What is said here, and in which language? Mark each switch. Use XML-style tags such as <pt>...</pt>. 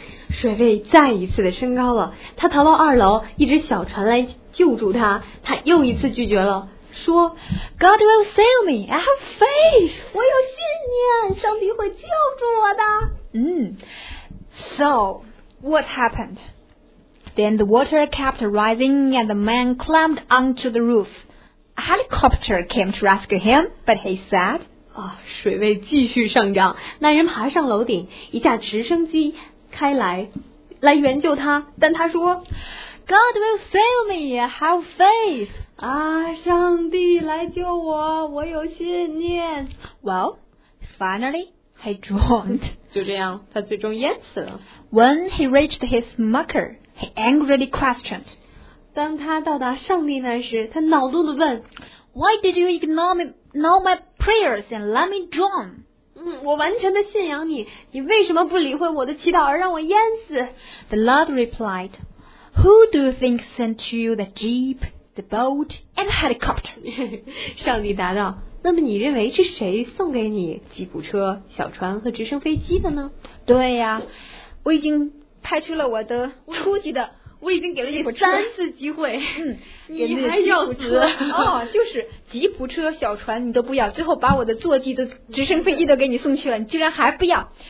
<zh>水位再一次的升高了，他逃到二楼，一只小船来救助他，他又一次拒绝了，</zh> <en>说 God will save me, I have faith.</en> <zh>我有信念，上帝会救助我的。</zh> <en>So, what happened? Then the water kept rising and the man climbed onto the roof. A helicopter came to rescue him, but he said,</en> <zh>水位继续上涨，男人爬上楼顶，一架直升机开来，来援救他，但他说</zh> <en>God will save me, I have faith.</en> <zh>上帝来救我，我有信念。</zh> <en>Well, finally, he drowned.</en> <zh>就这样，他最终淹死了。</zh> <en>When he reached his maker, he angrily questioned.</en> <zh>当他到达上帝那时，他恼怒地问</zh> <en>Why did you ignore my prayers and let me drown?</en> <zh>我完全地信仰你，你为什么不理会我的祈祷而让我淹死？</zh> <en>The Lord replied, Who do you think sent you the jeep, the boat, and helicopter?</en> <zh>上帝答道，那么你认为是谁送给你吉普车、小船和直升飞机的呢？对呀，我已经派出了我的初级的，我已经给了你三次机会，你还要死？就是吉普车、小船你都不要，最后把我的坐骑的直升飞机都给你送去了，你居然还不要。</zh>